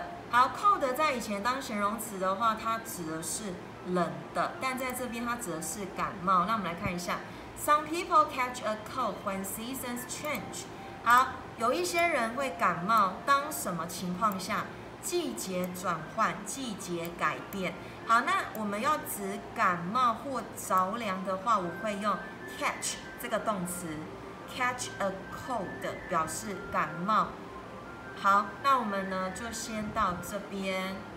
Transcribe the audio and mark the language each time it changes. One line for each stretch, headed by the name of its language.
Chinese: 好， cold 在以前当形容词的话它指的是冷的，但在这边它指的是感冒。那我们来看一下，
English: Some people catch a cold when seasons change。
Chinese: 好，有一些人会感冒当什么情况下，季节转换，季节改变。好，那我们要指感冒或着凉的话，我会用 catch 这个动词， catch a cold 表示感冒。好，那我们呢就先到这边。